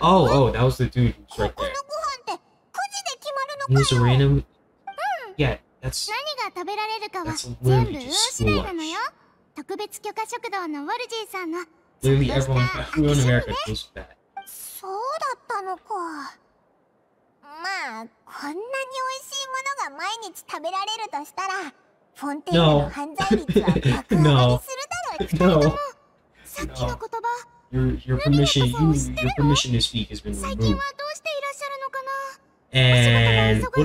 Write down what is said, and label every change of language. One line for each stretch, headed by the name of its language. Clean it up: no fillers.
English: Oh, that was the dude who's right there. There's a random. Yeah.
Japanese: 何が食べられるかは全部運次第なのよ。特別許可食堂のウォルジーさんの。そうだったのか。まあこんなに美味しいものが毎日食べられるとしたら、フォンテーヌの犯罪率は爆上がりするだろう。さっきの言葉。
English: Your permission, your permission to speak has been removed.
Japanese: 最近はどうしていらっしゃるのかな。